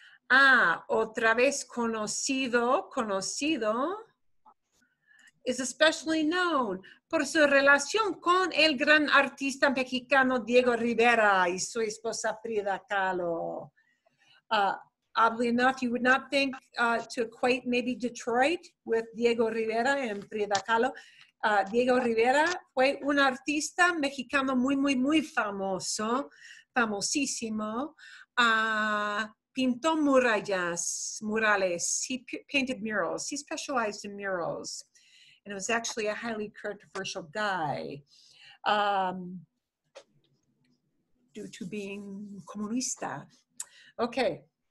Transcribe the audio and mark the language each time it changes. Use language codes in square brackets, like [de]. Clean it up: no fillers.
[es] Otra vez conocido, [en] is especially known [es] por su relación con el gran artista mexicano Diego Rivera y su esposa Frida Kahlo. [en] Oddly enough, you would not think to equate maybe Detroit with Diego Rivera and Frida Kahlo. [es] Diego Rivera fue un artista mexicano muy, muy, muy famoso, famosísimo. Pintó murales. [en] He painted murals. He specialized in murals. And it was actually a highly controversial guy due to being comunista. Okay.